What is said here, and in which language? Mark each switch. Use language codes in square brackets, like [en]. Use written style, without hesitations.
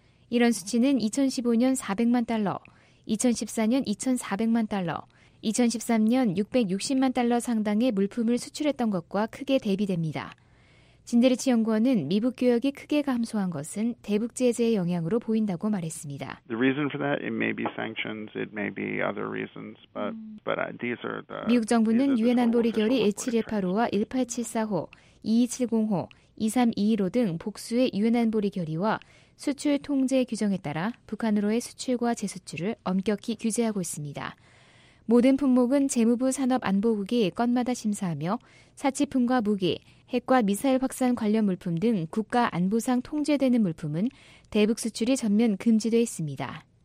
[ko] 이런 수치는 2015년 400만 달러, 2014년 2,400만 달러, 2013년 660만 달러 상당의 물품을 수출했던 것과 크게 대비됩니다. 진데르치 연구원은 미북 교역이 크게 감소한 것은 대북 제재의 영향으로 보인다고 말했습니다. [en] The reason for that, it may be sanctions, it may be other reasons, but these are the [ko] 미국 정부는 유엔 안보리 결의 17185와 1874호, 2270호, 2321호 등 복수의 유엔 안보리 결의와 수출 통제 규정에 따라 북한으로의 수출과 재수출을 엄격히 규제하고 있습니다. 모든 품목은 재무부 산업안보국이 건마다 심사하며 사치품과 무기, 핵과 미사일 확산 관련 물품 등 국가 안보상 통제되는 물품은 대북 수출이 전면 금지되어 있습니다.